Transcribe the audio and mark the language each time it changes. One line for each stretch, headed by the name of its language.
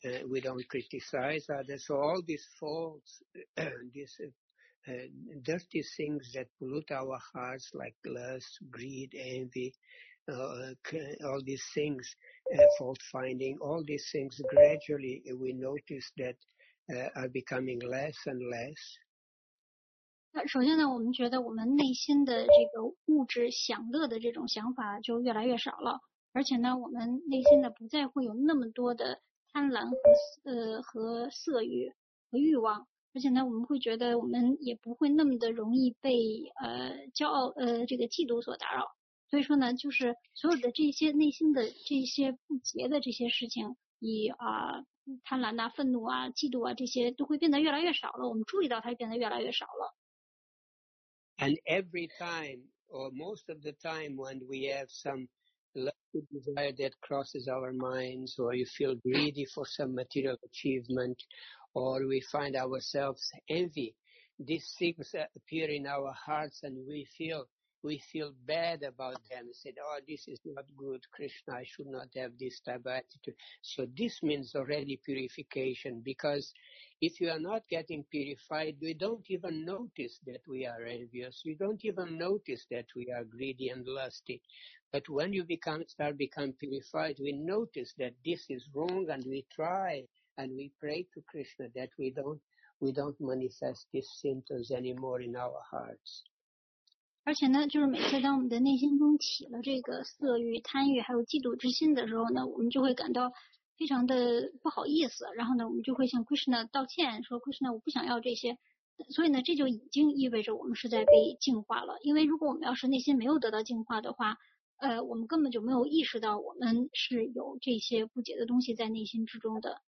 English: We don't criticize others. So all these faults, these dirty things that pollute our hearts, like lust, greed, envy,all these things, fault finding, all these things, gradually we notice that are becoming less and less.
Chinese: 首先呢，我们觉得我们内心的这个物质享乐的这种想法就越来越少了，而且呢，我们内心呢不再会有那么多的贪婪和色欲和欲望，而且呢，我们会觉得我们也不会那么的容易被骄傲这个嫉妒所打扰。所以说呢，就是所有的这些内心的这些不洁的这些事情，以贪婪啊、愤怒啊、嫉妒啊，这些都会变得越来越少了。我们注意到它变得越来越少了。
English: And every time, or most of the time, when we have some lustful desire that crosses our minds, or you feel greedy for some material achievement, or we find ourselves envy, these things appear in our hearts, and we feel bad about them. Said, oh, this is not good, Krishna, I should not have this type of attitude. So this means already purification, because if you are not getting purified, we don't even notice that we are envious. We don't even notice that we are greedy and lusty. But when you become purified, we notice that this is wrong, and we try and we pray to Krishna that we don't manifest these symptoms anymore in our hearts.
Chinese: 而且呢，就是每次当我们的内心中起了这个色欲、贪欲还有嫉妒之心的时候呢，我们就会感到非常的不好意思，然后呢，我们就会向 Krishna 道歉，说 Krishna 我不想要这些。所以呢，这就已经意味着我们是在被净化了。因为如果我们要是内心没有得到净化的话，我们根本就没有意识到我们是有这些不解的东西在内心之中的。